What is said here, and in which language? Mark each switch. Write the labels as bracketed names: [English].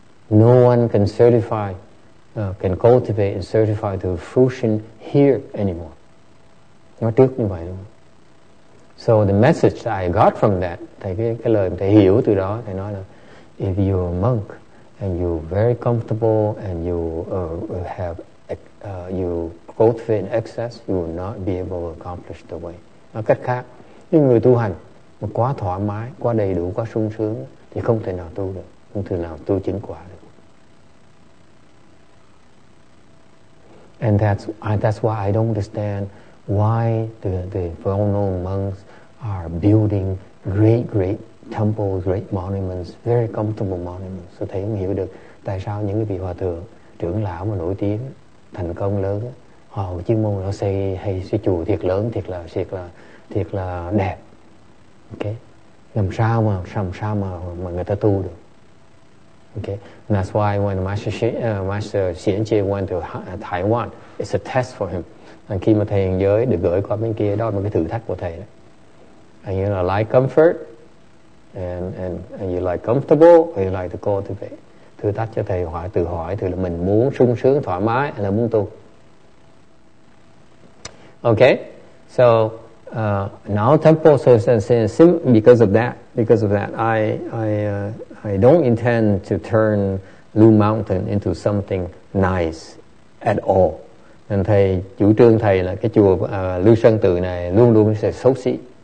[English] No one can certify, can cultivate and certify the fruition here anymore. [Vietnamese] Nó tiếc như vậy luôn. [English] So the message I got from that, [Vietnamese] thầy cái lời thầy hiểu từ đó, thầy nói là [English] if you're a monk and you're very comfortable and you have you cultivate in excess, you will not be able to accomplish the way. [Vietnamese] Nói cách khác, những người tu hành mà quá thoải mái, quá đầy đủ, quá sung sướng thì không thể nào tu được, không thể nào tu chứng quả được. [English] And that's why I don't understand why the well-known monks are building great temples, great monuments, very comfortable monuments. [Vietnamese] So thầy không hiểu được tại sao những cái vị hòa thượng, trưởng lão mà nổi tiếng, thành công lớn, họ chuyên môn họ xây hay xây chùa thiệt lớn, thiệt là đẹp. Okay, làm sao mà người ta tu được? [English] Okay, and that's why when Master Xian Jie went to Taiwan, it's a test for him. [Vietnamese] And khi mà thầy hiện giới được gửi qua bên kia, đó là một cái thử thách của thầy. [English] And you know, like comfort, and you like comfortable, or you like to cultivate. [Vietnamese] Thử thách cho thầy hỏi, tự hỏi thử là mình muốn sung sướng thoải mái hay là muốn tu. [English] Okay, so now temple, so because of that, I don't intend to turn Lu Mountain into something nice at all. [Vietnamese] Nên thầy chủ trương thầy là cái chùa Lưu Sơn Tự này luôn luôn sẽ xấu xí.